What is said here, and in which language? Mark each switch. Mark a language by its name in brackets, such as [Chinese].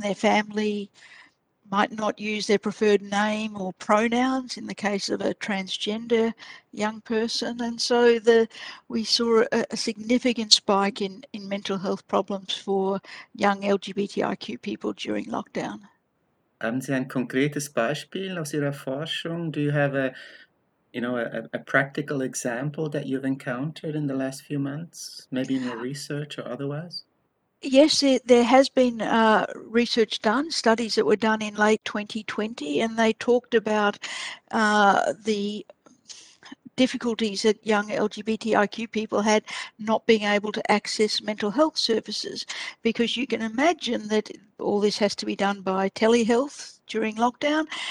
[English] Their family might not use their preferred name or pronouns in the case of a transgender young person. And so we saw a significant spike in mental health problems for young LGBTIQ people during lockdown. [German] Haben Sie ein konkretes Beispiel aus Ihrer Forschung? [English] Do you have a practical example that you've encountered in the last few months, maybe in your research or otherwise? Yes, there has been research done, studies that were done in late 2020, and they talked about the difficulties that young LGBTIQ people had not being able to access mental health services, because you can imagine that all this has to be done by telehealth during lockdown.